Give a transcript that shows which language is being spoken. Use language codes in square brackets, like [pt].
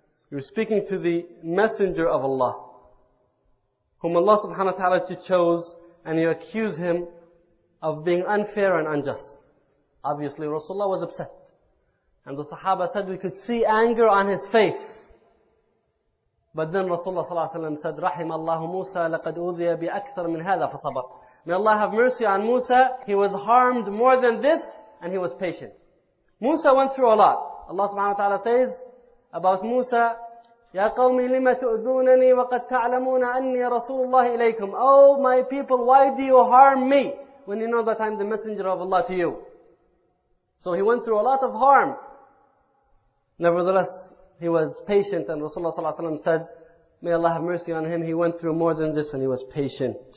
[en] You're speaking to the messenger of Allah, whom Allah subhanahu wa ta'ala chose, and you accuse him of being unfair and unjust. Obviously, Rasulullah was upset. And the Sahaba said, we could see anger on his face. But then Rasulullah [ar] صلى الله عليه وسلم [en] said, [ar] رحم الله موسى لقد أوذي بأكثر من هذا فصبر. [en] May Allah have mercy on Musa. He was harmed more than this and he was patient. Musa went through a lot. Allah subhanahu wa ta'ala says about Musa, [ar] يا قوم لم تؤذونني وقد تعلمون أني رسول الله إليكم. [en] Oh my people, why do you harm me when you know that I'm the messenger of Allah to you? So he went through a lot of harm. Nevertheless, he was patient, and Rasulullah ﷺ said, may Allah have mercy on him. He went through more than this and he was patient.